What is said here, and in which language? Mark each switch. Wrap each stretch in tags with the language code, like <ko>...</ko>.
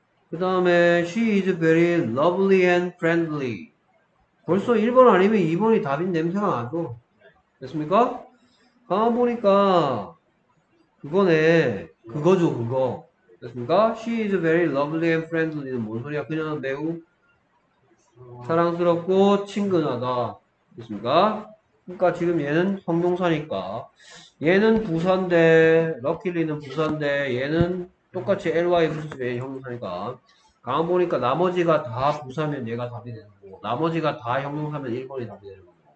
<ko>그 다음에</ko> <en>she is very lovely and friendly.</en> <ko>벌써 1번 아니면 2번이 답인 냄새가 나죠. 됐습니까? 가만 보니까 그거네. 그거죠, 그거. 됐습니까?</ko> <en>she is very lovely and friendly</en> <ko>는 뭔 소리야? 그녀는 매우 사랑스럽고 친근하다. 됐습니까? 그러니까 지금 얘는 형용사니까 얘는 부사인데 럭키리는 부사인데 얘는 똑같이 ly 부사인 형용사니까 가만 보니까 나머지가 다 부사면 얘가 답이 되는 거고, 나머지가 다 형용사면 1번이 답이 되는 거고.</ko>